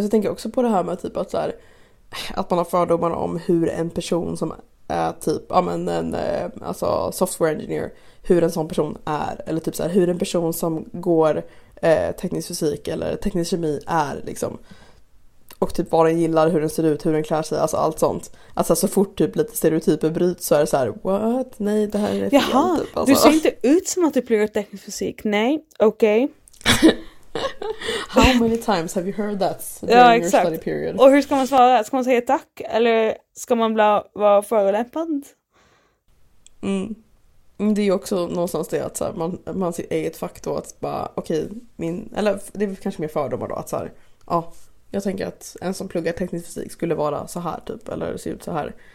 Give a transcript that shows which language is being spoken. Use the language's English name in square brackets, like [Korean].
[Swedish] Alltså, jag tänker också på det här med typ att, så här, att man har fördomar om hur en person som typ, ja, men en, alltså software engineer, hur en sån person är, eller typ så här, hur en person som går teknisk fysik eller teknisk kemi är liksom, och typ vad den gillar, hur den ser ut, hur den klär sig, alltså allt sånt. Alltså så fort typ lite stereotyper bryts så är det så här, what? Nej, det här är fel. Jaha, typ, alltså. Du ser inte ut som att du pluggar teknisk fysik. Nej, okej. [English] How many times have you heard that during your study period? [Swedish] Och hur ska man svara? Ska man säga tack? Eller ska man vara förolämpad? Mm. Det är ju också någonstans det att så här, man är ett faktum att bara, okej, okay, min, eller det är kanske mer fördomar då, att så här, ja, Jag tänker att en som pluggar teknisk fysik skulle vara så här typ, eller se ut så här.